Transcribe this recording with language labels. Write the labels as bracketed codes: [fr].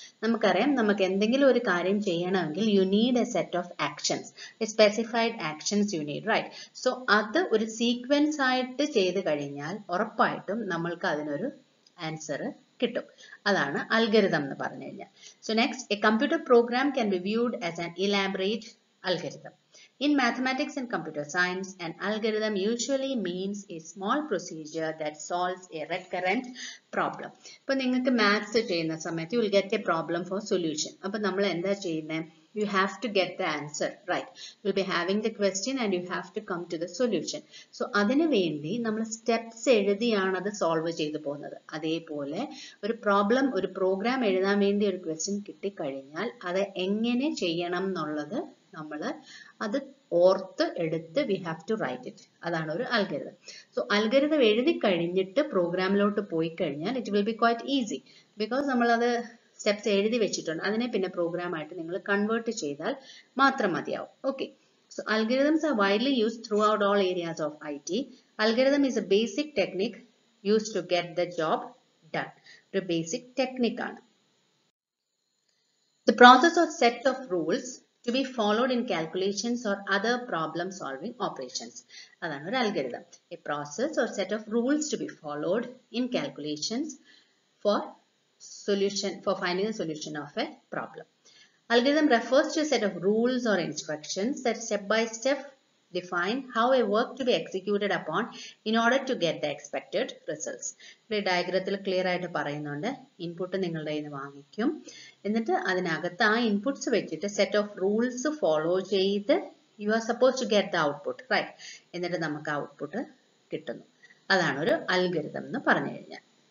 [ml] നമുക്കറിയാം, നമുക്ക് എന്തെങ്കിലും ഒരു കാര്യം ചെയ്യണമെങ്കിൽ [en] You need a set of actions, a specified actions you need, right? [ml] So അത് ഒരു സീക്വൻസ് ആയിട്ട് ചെയ്തു കഴിഞ്ഞാൽ ഉറപ്പായിട്ടും നമ്മൾക്ക് അതിനൊരു ആൻസർ കിട്ടും. അതാണ് അൽഗരിതം എന്ന് പറഞ്ഞു കഴിഞ്ഞാൽ. [en] So next, a computer program can be viewed as an elaborate algorithm. In mathematics and computer science, an algorithm usually means a small procedure that solves a recurrent problem. [ml] ഇപ്പൊ നിങ്ങൾക്ക് maths ചെയ്യുന്ന സമയത്ത് [en] You will get a problem for solution. [ml] അപ്പൊ നമ്മൾ എന്താ ചെയ്യുന്നത്? [en] You have to get the answer, right? You will be having the question and you have to come to the solution. So [ml] അതിനു വേണ്ടി നമ്മൾ സ്റ്റെപ്സ് എഴുതിയാണ് അത് സോൾവ് ചെയ്തു പോകുന്നത്. അതേപോലെ ഒരു പ്രോബ്ലം, ഒരു പ്രോഗ്രാം എഴുതാൻ വേണ്ടി ഒരു ക്വസ്റ്റ്യൻ കിട്ടിക്കഴിഞ്ഞാൽ അത് എങ്ങനെ ചെയ്യണം എന്നുള്ളത് നമ്മൾ അത് ഓർത്ത് എടുത്ത് [en] We have to write it. [ml] അതാണ് ഒരു അൽഗരിതം. സോ അൽഗരിതം എഴുതി കഴിഞ്ഞിട്ട് പ്രോഗ്രാമിലോട്ട് പോയി കഴിഞ്ഞാൽ [en] it will be quite easy, [ml] because നമ്മളത് സ്റ്റെപ്സ് എഴുതി വെച്ചിട്ടുണ്ട്. അതിനെ പിന്നെ പ്രോഗ്രാമായിട്ട് നിങ്ങൾ കൺവേർട്ട് ചെയ്താൽ മാത്രം മതിയാവും. [en] Okay, so algorithms are widely use throughout all areas of I T. Algorithm is a basic technique use to get the job done. [ml] ഒരു basic ടെക്നിക്കാണ്. [en] The process of set of rules to be followed in calculations or other problem solving operations. Adana or algorithm, a process or set of rules to be followed in calculations for solution, for finding the solution of a problem. Algorithm refers to a set of rules or instructions that step by step define how a work to be executed upon in order to get the expected results. [ml] ഈ ഡയഗ്രത്തിൽ clear ആയിട്ട് പറയുന്നുണ്ട്, input നിങ്ങളുടെ കയ്യിൽ നിന്ന് വാങ്ങിക്കും, എന്നിട്ട് അതിനകത്ത് ആ ഇൻപുട്സ് വെച്ചിട്ട് സെറ്റ് ഓഫ് റൂൾസ് ഫോളോ ചെയ്ത് [en] You are suppose to get the output, right? [ml] എന്നിട്ട് നമുക്ക് ഔട്ട്പുട്ട് കിട്ടുന്നു. അതാണ് ഒരു അൽഗരിതം എന്ന് പറഞ്ഞു കഴിഞ്ഞാൽ.